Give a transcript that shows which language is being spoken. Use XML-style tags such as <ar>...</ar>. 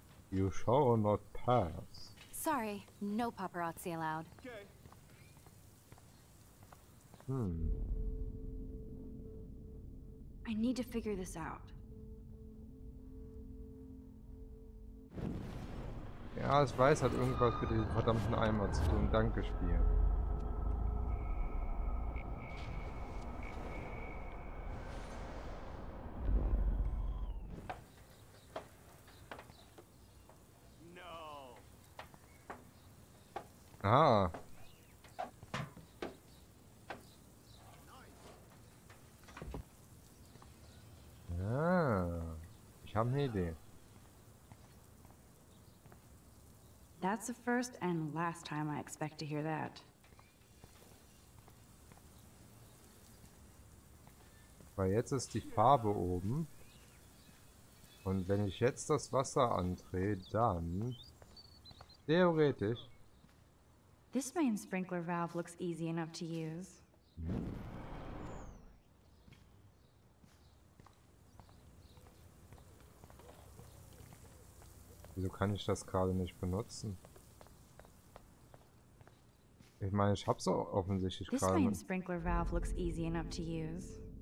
<en>You shall not pass. Sorry, no paparazzi allowed. Okay. I need to figure this out.</en> <de>Ja, es weiß halt irgendwas mit diesem verdammten Eimer zu tun. Danke, Spiel. Aha. Ja, ich habe eine Idee.</de> <en>That's the first and last time I expect to hear that.</en> <de>Weil jetzt ist die Farbe oben. Und wenn ich jetzt das Wasser andrehe, dann... Theoretisch...</de> <en>This main sprinkler valve looks easy enough to use.</en> <de>Wieso kann ich das gerade nicht benutzen? Ich meine, ich hab's auch offensichtlich gerade.</de> <en>This main sprinkler valve looks easy enough to use.</en>